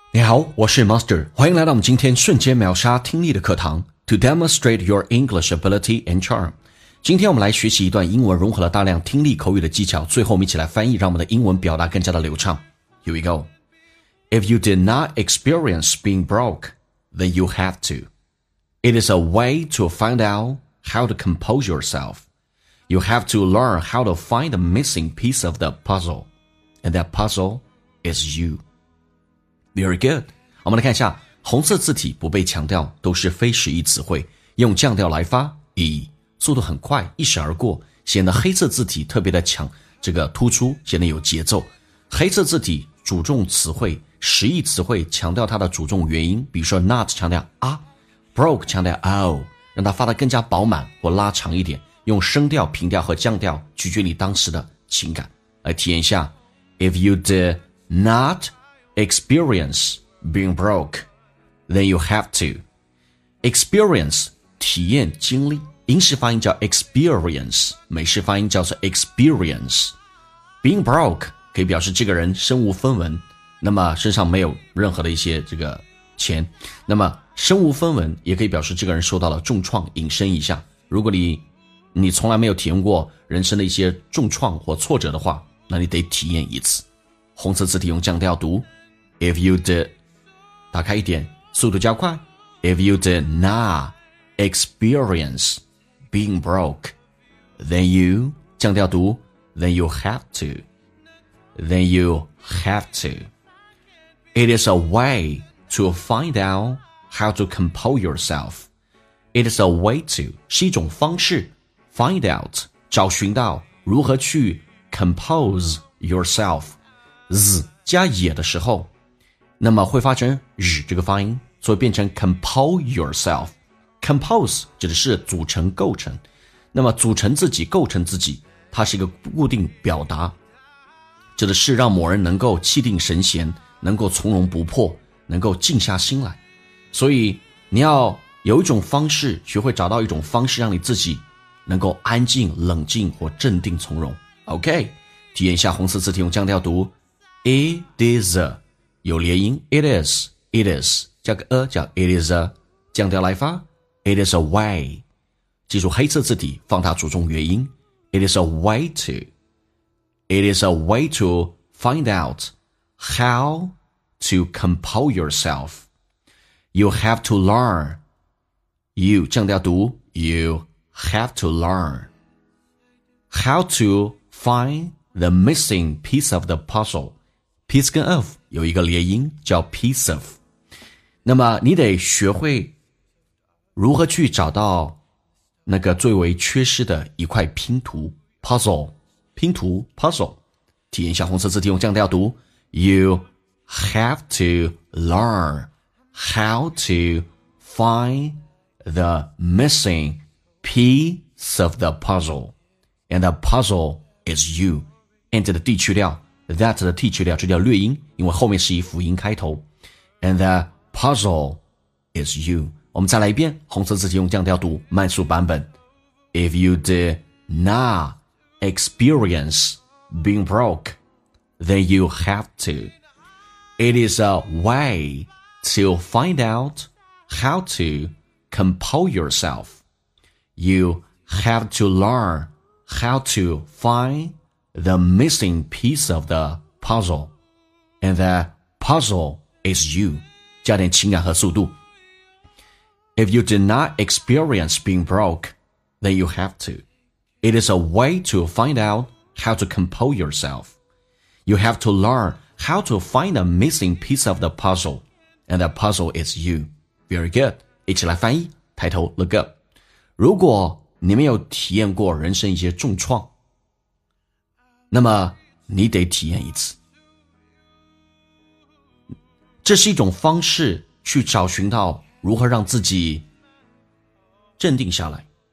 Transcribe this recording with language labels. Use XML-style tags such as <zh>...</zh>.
<zh>好，我是 Master， 欢迎来到我们今天瞬间秒杀听力的课堂</zh> <en>To demonstrate your English ability and charm。</en> <zh>今天我们来学习一段英文，融合了大量听力口语的技巧，最后我们一起来翻译，让我们的英文表达更加的流畅。</zh> <en>Here we go. If you did not experience being broke, then you have to. It is a way to find out how to compose yourself. You have to learn how to find the missing piece of the puzzle. And that puzzle is youVery good.</en> <zh>我们来看一下，红色字体不被强调，都是非实义词汇，用降调来发，以速度很快，一闪而过，显得黑色字体特别的强，这个突出，显得有节奏。黑色字体主重词汇，实义词汇强调它的主重元音，比如说 not 强调啊， broke 强调 oh， 让它发得更加饱满或拉长一点，用声调、平调和降调取决你当时的情感。来体验一下</zh> <en>If you did notExperience being broke, then you have to.</en> <zh>Experience, 体验经历，英式发音叫 experience, 美式发音叫做 experience. Being broke 可以表示这个人身无分文，那么身上没有任何的一些这个钱，那么身无分文也可以表示这个人受到了重创。引申一下，如果你从来没有体验过人生的一些重创或挫折的话，那你得体验一次。红色字体用降调读。</zh> <en>If you did,</en> <zh>打开一点，速度加快。</zh> <en>If you did not experience being broke, then you,</en> <zh>降调读,</zh> <en>then you have to, then you have to. It is a way to find out how to compose yourself. It is a way to,</en> <zh>是一种方式,</zh> <en>find out,</en> <zh>找寻到如何去</zh> <en>compose yourself.</en> <zh>Z, 加也的时候。那么会发成日这个发音，所以变成 compose yourself。 compose 指的是组成构成，那么组成自己构成自己，它是一个固定表达，指的是让某人能够气定神闲，能够从容不迫，能够静下心来。所以你要有一种方式，学会找到一种方式，让你自己能够安静冷静或镇定从容。</zh> <en>OK，</en> <zh>体验一下红色字体用降调读</zh> <en>It is a</en> <zh>有连音</zh> <en>It is, it is,</en> <zh>加个</zh> <en>a,</en> <zh>叫</zh> <en>it is a,</en> <zh>降调来发</zh> <en>It is a way,</en> <zh>记住黑色字体放大主重元音</zh> <en>It is a way to, it is a way to find out how to compose yourself. You have to learn, you,</en> <zh>降调读</zh> <en>you have to learn how to find the missing piece of the puzzle.</en> <zh>Piece 跟 of 有一个连音叫 piece of， 那么你得学会如何去找到那个最为缺失的一块拼图 puzzle， 拼图 puzzle。体验一下红色字体用降调读</zh> <en>You have to learn how to find the missing piece of the puzzle and the puzzle is you and the</en> <zh>地区调</zh> <en>That</en> <zh>的 T 去掉，这叫略音，因为后面是以辅音开头。</zh> <en>And the puzzle is you.</en> <zh>我们再来一遍，红色字体用降调读，慢速版本。</zh> <en>If you did not experience being broke, then you have to. It is a way to find out how to compose yourself. You have to learn how to find. The missing piece of the puzzle, and that puzzle is you.</en> <zh>加点情感和速度。</zh> <en>If you did not experience being broke, then you have to. It is a way to find out how to compose yourself. You have to learn how to find the missing piece of the puzzle, and that puzzle is you. Very good.</en> <zh>一起来翻译。抬头</zh> <en>look up.</en> <zh>如果你没有体验过人生一些重创。那么你得体验一次，这是一种方式去找寻到如何让自己镇定下来。</zh>